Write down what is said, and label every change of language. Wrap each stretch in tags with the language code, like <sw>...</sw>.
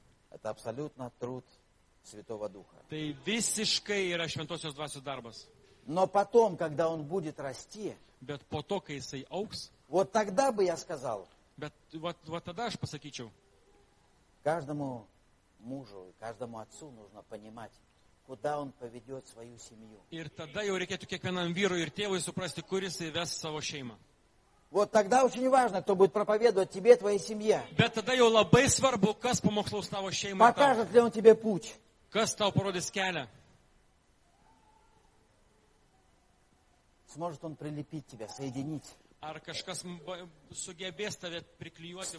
<ru>это абсолютно труд Святого Духа.</ru> <lt>Tai visiškai yra Šventosios Dvasios darbas.</lt> <ru>Но потом, когда он будет расти,</ru> <lt>bet po to, kai jisai augs,</lt> <ru>вот тогда бы я сказал,</ru> <lt>bet,</lt> <ru>вот тогда</ru> <lt>aš pasakyčiau,</lt> <ru>каждому мужу и каждому отцу нужно понимать, куда он поведет свою семью.</ru> <lt>Ir tada jau reikėtų kiekvienam vyrui ir tėvui suprasti, kur jisai ves savo šeimą.</lt> <ru>Вот тогда очень важно, кто будет проповедовать тебе, твоей семье.</ru> <lt>Bet tada jau labai svarbu, kas pamokslaus tavo šeimą.</lt> <ru>Покажет ли он тебе путь.</ru> <lt>Kas tau parodys kelią.</lt> <ru>Сможет он прилепить тебя, соединить.</ru> <lt>Ar kažkas sugebės tave priklijuoti.</lt>